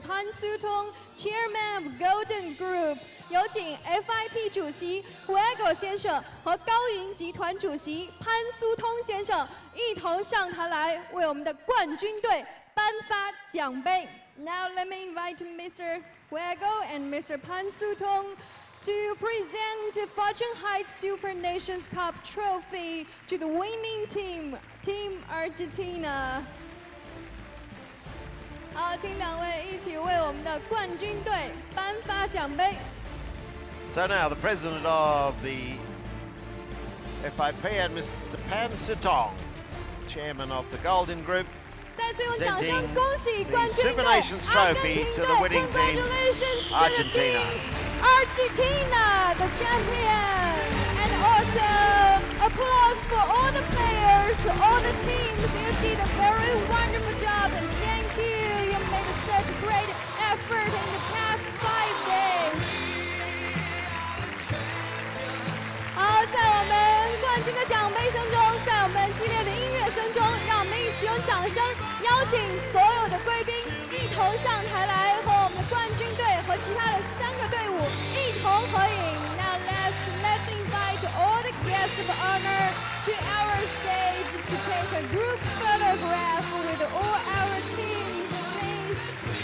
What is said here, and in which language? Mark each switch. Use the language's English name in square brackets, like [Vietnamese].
[English] Pan Sutong, Chairman of Golden Group. [Chinese] 有请 FIP 主席 Huego 先生和高瀛集团主席潘苏通先生一同上台来为我们的冠军队颁发奖杯。 [English] Now let me invite Mr. Huego and Mr. Pan Sutong. To present the Fortune Heights Super Nations Cup trophy to the winning team, Team Argentina. [Chinese] 好，请两位一起为我们的冠军队颁发奖杯。 [English] So now the president of the FIP and Mr. Pan Sutong, chairman of the Golden Group, Super Nations trophy to the winning team. Congratulations to Argentina. Argentina, the champion. And also applause for all the players, all the teams. You did a very wonderful job. And thank you. You made such great effort in the past 5 days. Also, [Chinese] 这个奖杯声中，在我们激烈的音乐声中，让我们一起用掌声邀请所有的贵宾一同上台来，和我们的冠军队和其他的三个队伍一同合影。 [English] Now let's invite all the guests of honor to our stage to take a group photograph with all our teams.